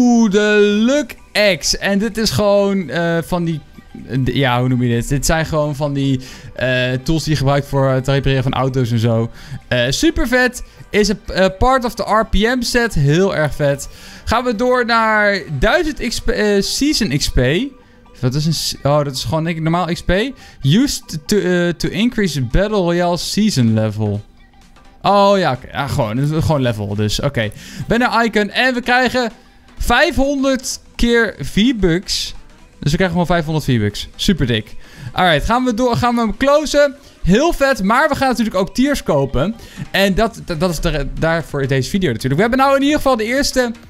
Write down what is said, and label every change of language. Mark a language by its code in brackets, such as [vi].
[nl] De Luck X. En dit is gewoon van die... Ja, hoe noem je dit? Dit zijn gewoon van die tools die je gebruikt voor het repareren van auto's en zo. Super vet. Is een [en] part of the RPM set. [nl] Heel erg vet. Gaan we door naar 1000 XP, Season XP. Dat is een... Oh, dat is gewoon denk ik, normaal XP. [en] Used to increase Battle Royale Season level. [nl] Oh ja, okay. Ja gewoon level dus. Oké. Okay. Banner icon. En we krijgen 500 keer V-Bucks. Dus we krijgen gewoon 500 V-Bucks. Super dik. Alright, gaan we door. Gaan we hem closen. Heel vet. Maar we gaan natuurlijk ook tiers kopen. En dat is daarvoor deze video natuurlijk. We hebben nou in ieder geval de eerste...